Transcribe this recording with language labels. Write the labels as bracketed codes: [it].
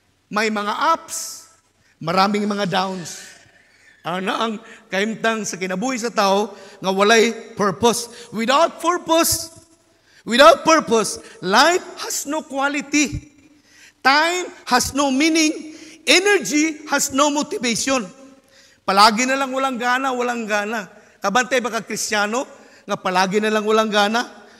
[tl] May mga ups, maraming mga downs. [ceb] Ana ang kahimtang sa kinabuhi sa tao nga walay purpose. [en] Without purpose, life has no quality. Time has no meaning. Energy has no motivation. [tl] Palagi na lang walang gana. [ceb] Kabantay ba ka Kristiyano nga [tl] palagi na lang walang gana?